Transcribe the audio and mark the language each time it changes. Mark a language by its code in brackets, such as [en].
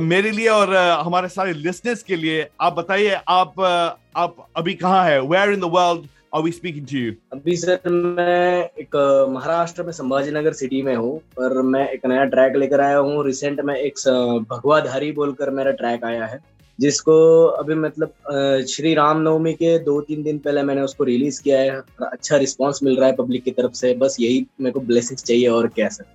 [hi] मेरे लिए और हमारे सारे लिसनर्स के लिए आप बताइए आप अभी कहाँ है? [en] Where in the world are we speaking to you? [hi] अभी सर मैं एक महाराष्ट्र में संभाजीनगर सिटी में हूँ और मैं एक नया ट्रैक लेकर आया हूँ. रिसेंट में एक भगवाधारी बोलकर मेरा ट्रैक आया है जिसको अभी मतलब श्री राम नवमी के 2-3 दिन पहले मैंने उसको रिलीज किया है. अच्छा रिस्पांस मिल रहा है पब्लिक की तरफ से. बस यही मेरे को ब्लेसिंग्स चाहिए और क्या सर.